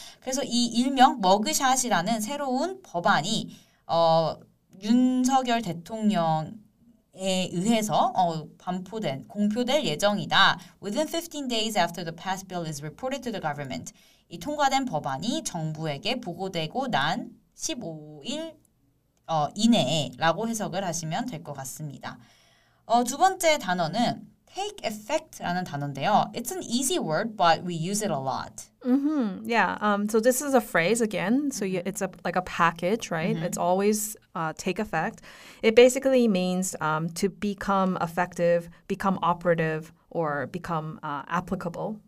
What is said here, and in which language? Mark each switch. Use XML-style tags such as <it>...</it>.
<ko>그래서 이 일명 머그샷이라는 새로운 법안이 윤석열 대통령에 의해서 반포된, 공표될 예정이다.</ko> <en>Within 15 days after the passed bill is reported to the government.</en> <ko>이 통과된 법안이 정부에게 보고되고 난 15일 이내에 라고 해석을 하시면 될 것 같습니다. 두 번째 단어는</ko> <en>take effect</en> <ko>라는 단어인데요.</ko> <en>It's an easy word, but we use it a lot. So this is a phrase again. So it's like a package, right? It's always take effect. It basically means to become effective, become operative, or become applicable.</en>